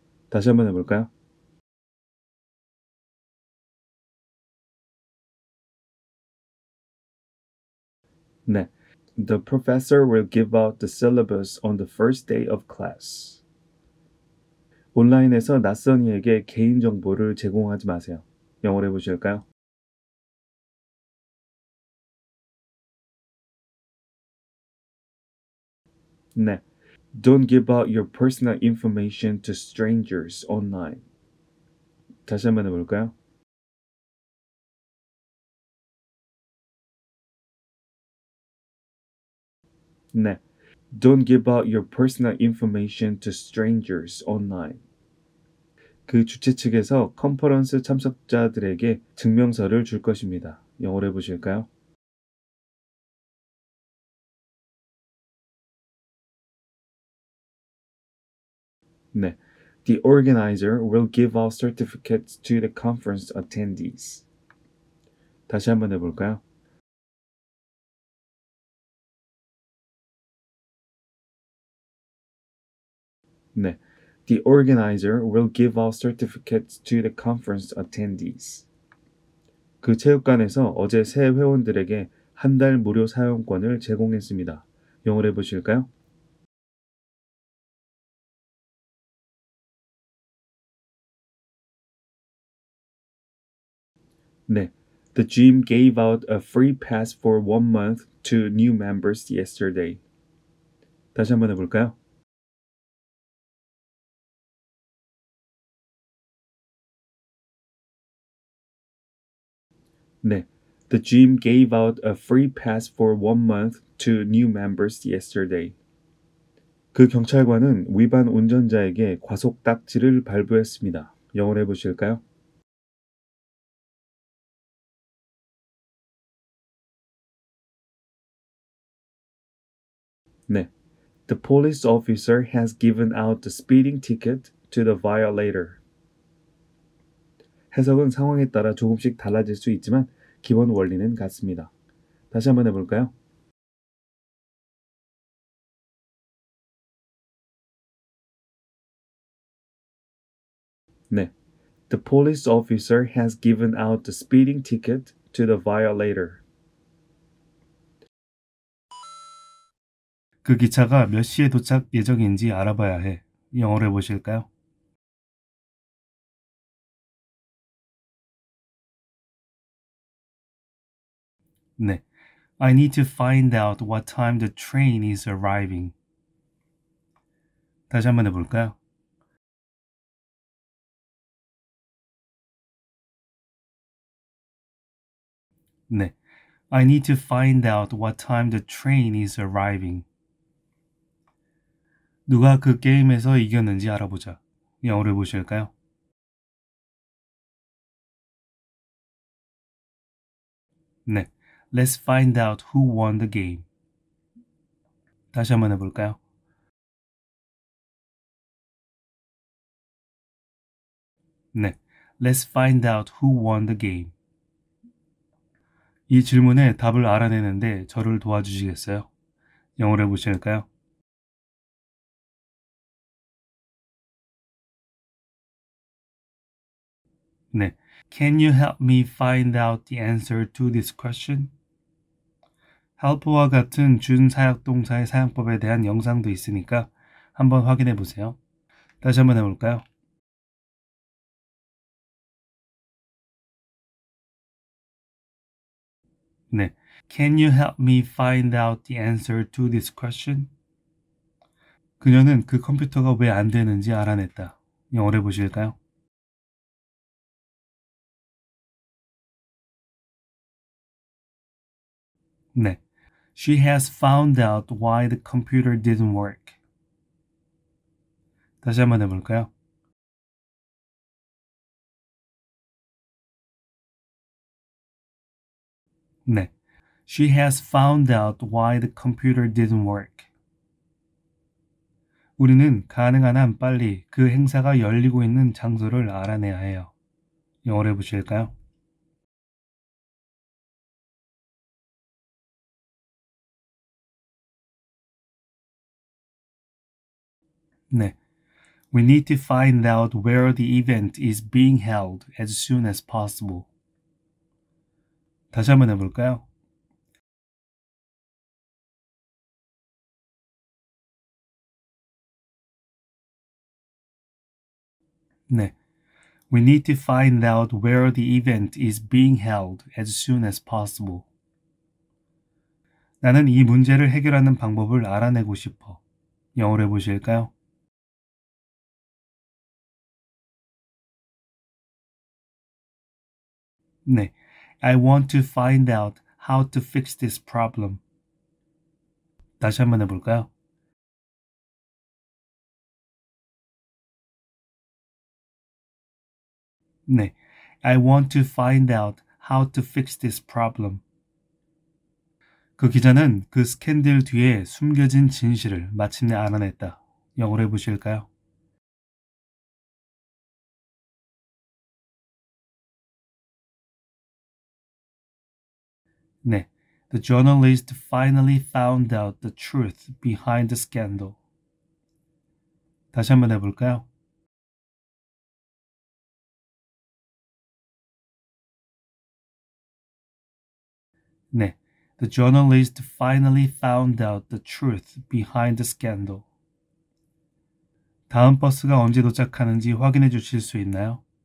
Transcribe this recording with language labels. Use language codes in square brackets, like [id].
[ko] 다시 한번 해볼까요? [en] 네, the professor will give out the syllabus on the first day of class. [ko] 온라인에서 낯선 이에게 개인 정보를 제공하지 마세요. 영어로 해보실까요? [en] The Don't give out your personal information to strangers online. [ko] 다시 한번 해볼까요? [en] Don't give out your personal information to strangers online. [ko] 그 주최 측에서 컨퍼런스 참석자들에게 증명서를 줄 것입니다. 영어로 해보실까요? [en] The organizer will give out certificates to the conference attendees. [ko] 다시 한번 해볼까요? [en] The organizer will give out certificates to the conference attendees. [ko] 그 체육관에서 어제 새 회원들에게 한 달 무료 사용권을 제공했습니다. 영어로 해보실까요? [en] The gym gave out a free pass for 1 month to new members yesterday. [ko] 다시 한번 해볼까요? [en] The gym gave out a free pass for 1 month to new members yesterday. [ko] 그 경찰관은 위반 운전자에게 과속 딱지를 발부했습니다. 영어로 해보실까요? [en] The police officer has given out the speeding ticket to the violator. [ko] 해석은 상황에 따라 조금씩 달라질 수 있지만 기본 원리는 같습니다. 다시 한번 해볼까요? [en] The police officer has given out the speeding ticket to the violator. [ko] 그 기차가 몇 시에 도착 예정인지 알아봐야 해. 영어로 해보실까요? [en] I need to find out what time the train is arriving. [ko] 다시 한번 해볼까요? [en] I need to find out what time the train is arriving. [ko] 누가 그 게임에서 이겼는지 알아보자. 영어로 해보실까요? [en] Let's find out who won the game. [ko] 다시 한번 해볼까요? [en] Let's find out who won the game. [ko] 이 질문에 답을 알아내는데 저를 도와주시겠어요? 영어로 해보실까요? [en] Can you help me find out the answer to this question? [ko] help와 같은 준사역동사의 사용법에 대한 영상도 있으니까 한번 확인해 보세요. 다시 한번 해볼까요? [en] Can you help me find out the answer to this question? [ko] 그녀는 그 컴퓨터가 왜 안 되는지 알아냈다. 영어로 해보실까요? [en] She has found out why the computer didn't work. [ko] 다시 한번 해볼까요? [en] She has found out why the computer didn't work. [ko] 우리는 가능한 한 빨리 그 행사가 열리고 있는 장소를 알아내야 해요. 영어로 해보실까요? [en] We need to find out where the event is being held as soon as possible. [ko] 다시 한번 해볼까요? [en] We need to find out where the event is being held as soon as possible. [ko] 나는 이 문제를 해결하는 방법을 알아내고 싶어. 영어로 해보실까요? [en] I want to find out how to fix this problem. [ko] 다시 한번 해볼까요? [en] I want to find out how to fix this problem. [ko] 그 기자는 그 스캔들 뒤에 숨겨진 진실을 마침내 알아냈다. 영어로 해보실까요? [en] The journalist finally found out the truth behind the scandal. [ko] 다시 한번 해볼까요? [en] The journalist finally found out the truth behind the scandal. [ko] 다음 버스가 언제 도착하는지 확인해 주실 수 있나요?